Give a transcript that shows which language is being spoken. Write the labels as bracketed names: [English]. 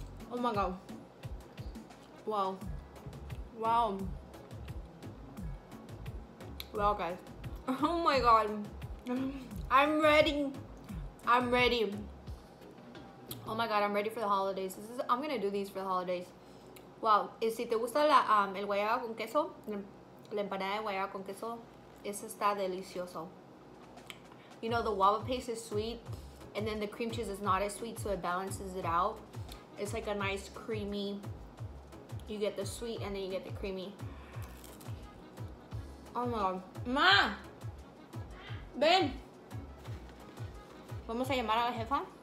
[English] Oh my god. Wow. Wow. Well, guys. Oh my god. I'm ready. Oh my god, I'm ready for the holidays. I'm gonna do these for the holidays. Wow. [Spanish] Y si te gusta la el guayaba con queso, la empanada de guayaba con queso, es está delicioso. [English] You know, the guava paste is sweet, and then the cream cheese is not as sweet, so it balances it out. It's like a nice creamy. You get the sweet and then you get the creamy. Oh my god. [Spanish] Ma! Ben! Vamos a llamar a la jefa.